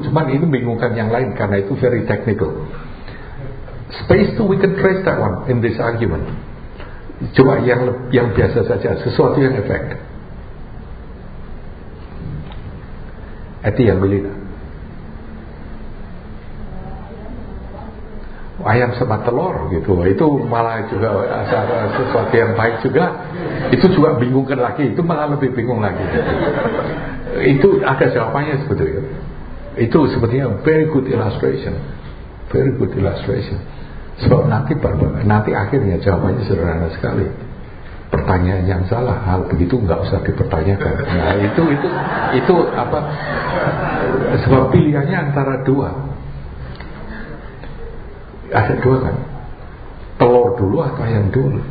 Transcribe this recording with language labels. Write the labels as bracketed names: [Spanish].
[Indonesian] Cuman ini bingungkan yang lain karena itu [English] very technical. Space too, we can trace that one in this argument. [Indonesian] Cuma yang biasa saja, sesuatu yang efek. Eti yang beli tak? Ayam sama telur gitu, itu malah juga sesuatu yang baik juga, itu juga bingungkan lagi, itu malah lebih bingung lagi. Itu ada jawabannya sebetulnya. Itu sebetulnya [English] very good illustration, very good illustration. [Indonesian] Sebab nanti nanti akhirnya jawabannya sederhana sekali. Pertanyaan yang salah, hal begitu enggak usah dipertanyakan. Nah itu apa? Sebab pilihannya antara dua. Ada dua kan, telur dulu atau ayam dulu.